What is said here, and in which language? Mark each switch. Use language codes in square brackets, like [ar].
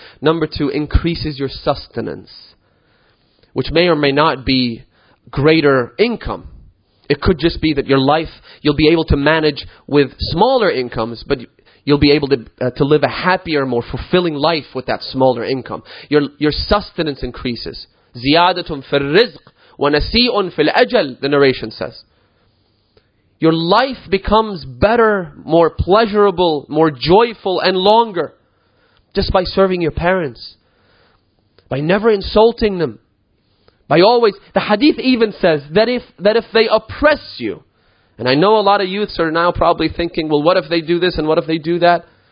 [en] Number 2, increases your sustenance. Which may or may not be greater income. It could just be that your life, you'll be able to manage with smaller incomes, but you'll be able to live a happier, more fulfilling life with that smaller income. Your sustenance increases. [ar] زِيَادَةٌ فِي الرِّزْقِ وَنَسِيءٌ فِي الْأَجَلِ, [en] the narration says. Your life becomes better, more pleasurable, more joyful and longer just by serving your parents, by never insulting them. By always, the hadith even says that if they oppress you, and I know a lot of youths are now probably thinking, well, what if they do this and what if they do that?